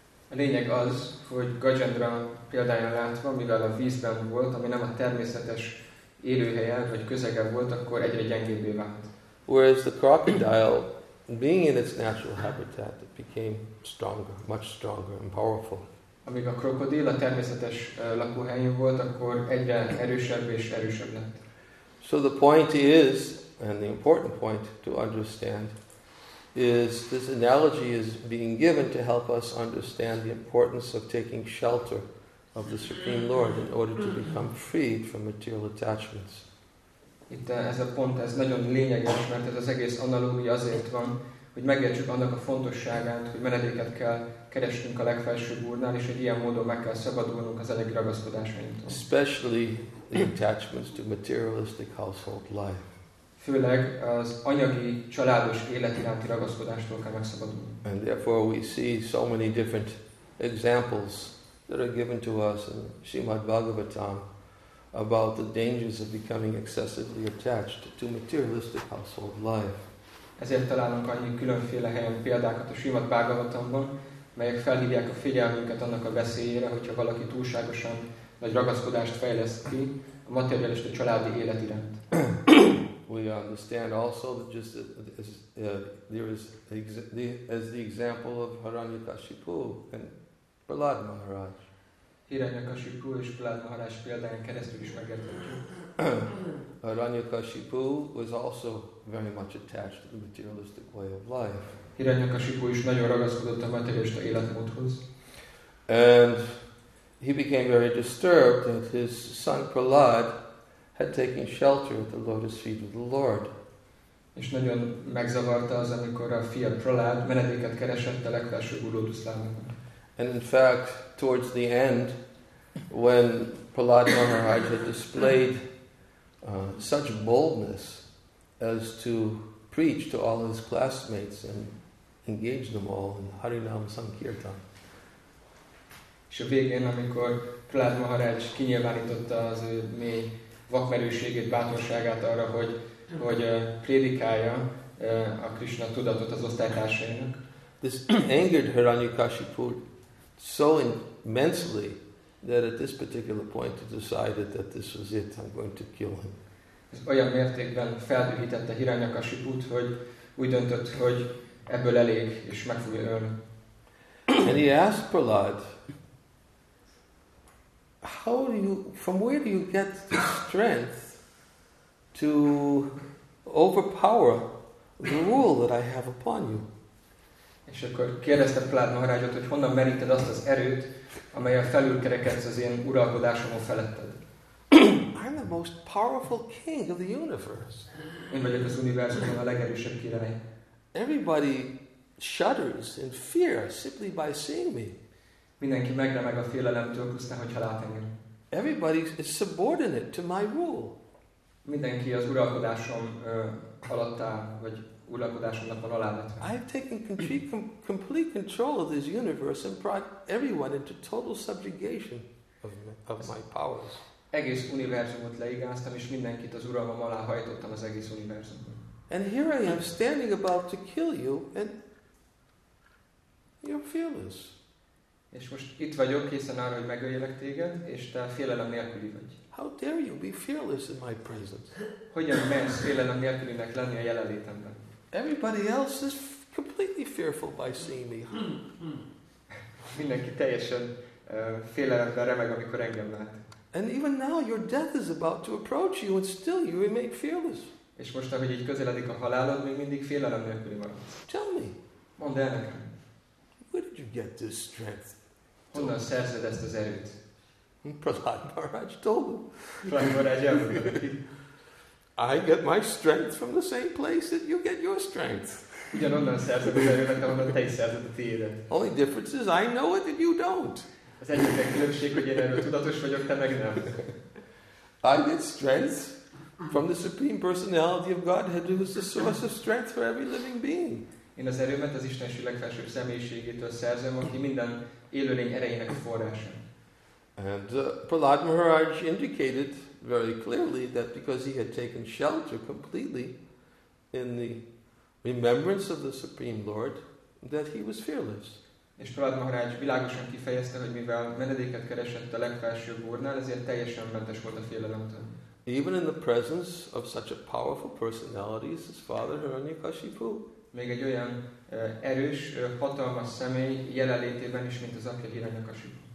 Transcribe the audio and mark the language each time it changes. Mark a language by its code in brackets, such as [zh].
[hu] A lényeg az, hogy Gajendra példáján látva, mivel a vízben volt, ami nem a természetes élőhelye vagy közege volt, akkor egyre gyengébbé vált. [en] Whereas the crocodile, being in its natural habitat, it became stronger, much stronger and powerful. [hu] Amíg a krokodil a természetes lakóhelyén volt, akkor egyre erősebb és erősebb lett. [en] So the point is, and the important point to understand, is this analogy is being given to help us understand the importance of taking shelter of the Supreme Lord in order to become freed from material attachments. [hu] Itt ez a pont, ez nagyon lényeges, mert ez az egész analógia azért van, hogy megértsük annak a fontosságát, hogy menedéket kell keresnünk a legfelsőbb úrnál, és egy ilyen módon meg kell szabadulnunk az eddigi ragaszkodásainktól. [en] Especially the attachments to materialistic household life. [hu] Főleg az anyagi családos élet iránti ragaszkodástól kell megszabadulni. [en] And therefore we see so many different examples that are given to us in Srimad Bhagavatam about the dangers of becoming excessively attached to materialistic household life. [hu] Ezért találunk annyi különféle helyen példákat a Srimad Bhagavatamban, melyek felhívják a figyelmünket annak a veszélyére, hogyha valaki túlságosan nagy ragaszkodást fejleszt ki a materialista családi élet iránt. [en] We understand also that just as the example of Hiranyakashipu and Prahlad Maharaj. [hu] Hiranyakashipu és Prahlad Maharaj példáján keresztül is megérthetjük. [en] Hiranyakashipu was also very much attached to the materialistic way of life. [hu] Hiranyakashipu is nagyon ragaszkodott a materialista életmódhoz. [en] And he became very disturbed that his son Prahlad had taken shelter at the lotus feet of the Lord. [hu] És nagyon megzavarta az, amikor a fia Prahlad menedéket keresett a legfelsőbb úr lótuszlábánál. [en] And in fact, towards the end, when Prahlad Maharaj had displayed such boldness as to preach to all his classmates and engage them all in Harinam Sankirtan. [hu] És a végén, amikor Prahlad Maharaj kinyilvánította az ő mély vakmerőségét, bátorságát arra, hogy prédikálja a Krishna tudatot az osztálytársainak. [en] This angered Hiranyakashipu so immensely that at this particular point he decided that this was it, I'm going to kill him. [hu] Ez olyan mértékben feldühítette Hiranyakashiput, hogy úgy döntött, hogy ebből elég, és meg fogja ölni. [en] And he asked Prahlad, how do you, from where do you get the strength to overpower the rule that I have upon you? [hu] És akkor kérdezte Prahlad Maharajot, hogy honnan meríted azt az erőt, amelyel felülkerekedsz az én uralkodásomon feletted. [en] I'm the most powerful king of the universe. [hu] Én vagyok az univerzumban a legerősebb király. [en] Everybody shudders in fear simply by seeing me. [hu] Mindenki megremeg a félelemtől, pusztán, hogyha lát engem. [en] Everybody is subordinate to my rule. [hu] Mindenki az uralkodásom alatt áll, vagy uralkodásomnak van alávetve. [en] I've taken complete control of this universe and brought everyone into total subjugation of my powers. [hu] Egész univerzumot leigáztam, és mindenkit az uralmam alá hajtottam az egész univerzumban. [en] And here I am standing about to kill you, and you're fearless. [hu] És most itt vagyok, készen arra, hogy megöljelek téged, és te félelem nélküli vagy. [en] How dare you be fearless in my presence? [hu] Hogyan mersz félelem nélkülinek lenni a jelenlétemben? [en] Everybody else is completely fearful by seeing me. [hu] Mindenki teljesen félelemben remeg, amikor engem lát. [en] And even now your death is about to approach you, and still you remain fearless. [hu] És most, ahogy így közeledik a halálod, még mindig félelem nélküli maradsz. [en] Tell me. [hu] Mondd el nekem. [en] Where did you get this strength? [hu] Honnan szerzed ezt az erőt? [en] Prahlad Maharaj told him. [hu] Prahlad Maharaj elmondta. [en] I get my strength from the same place that you get your strength. [hu] Ugyanonnan szerzed az erőt, ahonnan te is szerzed a tiédet. [en] Only difference is I know it and you don't. [hu] Az egyetlen különbség, hogy én erről tudatos vagyok, te meg nem. [en] I get strength from the Supreme Personality of Godhead, who is the source of strength for every living being. [hu] Én az erőmet az Isten legfelsőbb személyiségétől szerzem, aki minden élőlény erejének a forrása. [en] And Prahlad Maharaj indicated very clearly that because he had taken shelter completely in the remembrance of the Supreme Lord, that he was fearless. [hu] És Prahlad Maharaj világosan kifejezte, hogy mivel menedéket keresett a legfelsőbb úrnál, ezért teljesen mentes volt a félelemtől. [en] Even in the presence of such a powerful personality as his father Hiranyakashipu, [hu] még egy olyan erős, hatalmas személy jelenlétében is, mint az apja Hiranyakashipu.